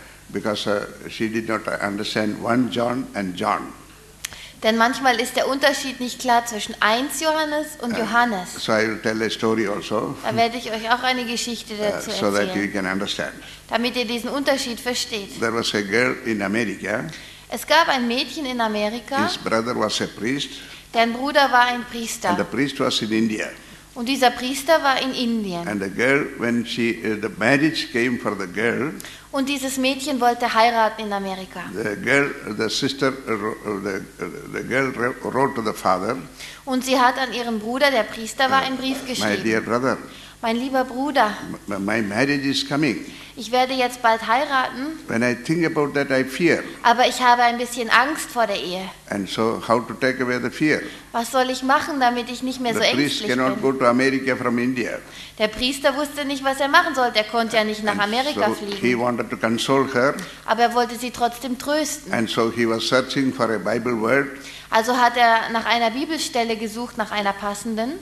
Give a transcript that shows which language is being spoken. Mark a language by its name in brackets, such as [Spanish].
[English] Because she did not understand 1 John and John. [German] Denn manchmal ist der Unterschied nicht klar zwischen 1 Johannes und Johannes. [English] So I will tell a story also. [German] Da werde ich euch auch eine Geschichte dazu erzählen. [English] So that you can understand. [German] Damit ihr diesen Unterschied versteht. [English] There was a girl in America. [German] Es gab ein Mädchen in Amerika. [English] His brother was a priest. [German] Deren Bruder war ein Priester. [English] And the priest was in India. [German] Und dieser Priester war in Indien. [English] And the girl, when she, the marriage came for the girl. [German] Und dieses Mädchen wollte heiraten in Amerika. [English] The girl wrote to the father. [German] Und sie hat an ihren Bruder, der Priester war, einen Brief geschrieben. [English] My dear brother. [German] Mein lieber Bruder, [English] my marriage is coming. [German] Ich werde jetzt bald heiraten. [English] When I think about that, I fear. [German] Aber ich habe ein bisschen Angst vor der Ehe. [English] And so how to take away the fear? [German] Was soll ich machen, damit ich nicht mehr [English] the [German] so ängstlich [English] priest cannot [German] bin? [English] Go to America from India. [German] Der Priester wusste nicht, was er machen sollte. Er konnte ja nicht nach Amerika [English] so [German] fliegen. [English] He wanted to console her. [German] Aber er wollte sie trotzdem trösten. [English] And so he was searching for a Bible word. [German] Also hat er nach einer Bibelstelle gesucht, nach einer passenden.